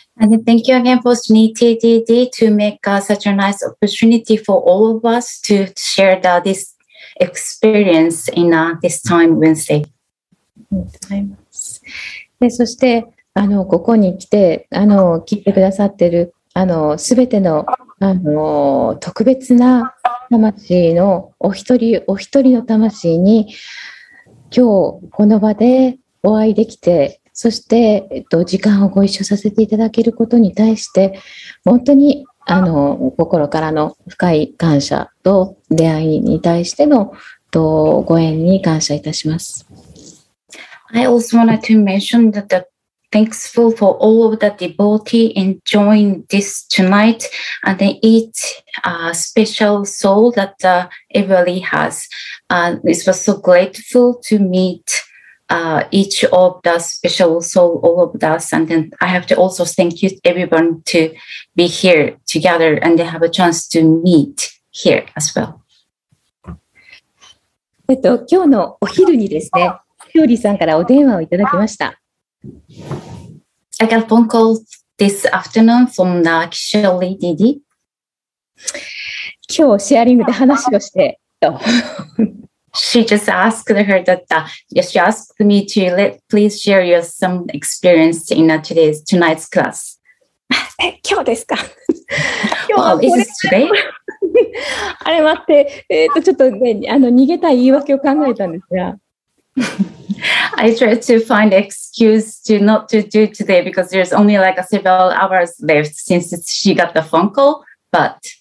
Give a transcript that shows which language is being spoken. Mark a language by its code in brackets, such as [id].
[en] And thank you again for SNITDD to make such a nice opportunity for all of us to share this experience in this time Wednesday. [ja] でそしてここに来て聞いてくださってるすべての特別な魂のお一人お一人の魂に今日この場でお会いできて、そして時間をご一緒させていただけることに対して本当に心からの深い感謝と出会いに対してのご縁に感謝いたします。 [en] I also wanted to mention that the thankful for all of the devotees in joining this tonight and each special soul that everybody has. It was so grateful to meet each of the special soul, all of us. And then I have to also thank you everyone to be here together and they have a chance to meet here as well. [ja] 今日のお昼にですね、ひよりさんからお電話をいただきました。 [en] I got a phone call this afternoon from the Kishori DD. [ja] 今日シェアリングで話をして。 [en] She just asked her that, she asked me to please share your some experience in today's, tonight's class. [ja] 今日ですか今日は、 [en] is today? [ja] あれ待って、ちょっとね、逃げたい言い訳を考えたんですが。 [en] I tried to find excuse to not to do today because there's only like a several hours left since she got the phone call, but